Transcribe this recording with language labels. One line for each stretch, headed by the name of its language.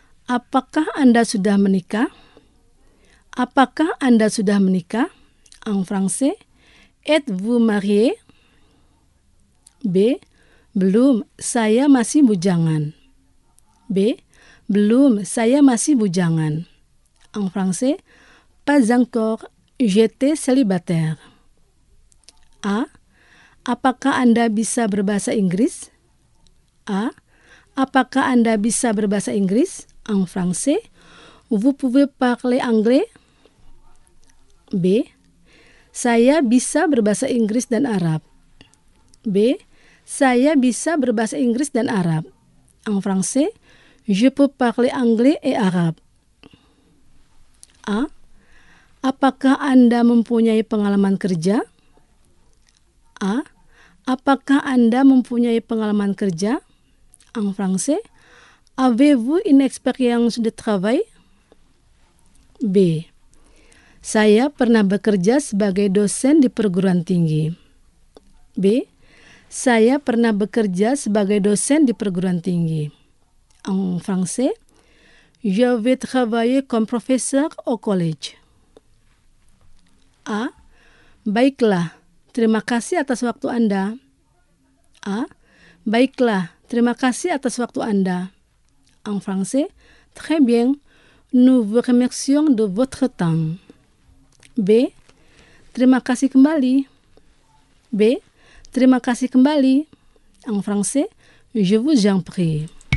Indonesian: Apakah Anda sudah menikah? Apakah Anda sudah menikah?
French: En français, êtes-vous marié?
Indonesian: B. Belum, saya masih bujangan. B. Belum, saya masih bujangan.
French: En français, pas encore, j'étais célibataire. A.
Indonesian: Apakah Anda bisa berbahasa Inggris? A. Apakah Anda bisa berbahasa Inggris?
French: En français, vous pouvez parler anglais? B.
Indonesian: Saya bisa berbahasa Inggris dan Arab. B. Saya bisa berbahasa Inggris dan Arab.
French: En français, je peux parler anglais et arabe. A.
Indonesian: Apakah Anda mempunyai pengalaman kerja? A. Apakah Anda mempunyai pengalaman kerja?
French: En français, avez-vous une expérience de travail? B.
Indonesian: Saya pernah bekerja sebagai dosen di perguruan tinggi. B. Saya pernah bekerja sebagai dosen di perguruan tinggi.
French: En français, j'avais travaillé comme professeur au collège. A.
Indonesian: Baiklah, terima kasih atas waktu Anda. A. Baiklah, terima kasih atas waktu Anda.
French: En français, très bien, nous vous remercions de votre temps.
Indonesian: B. Terima kasih kembali. B. Terima kasih kembali.
French: En français, je vous en prie.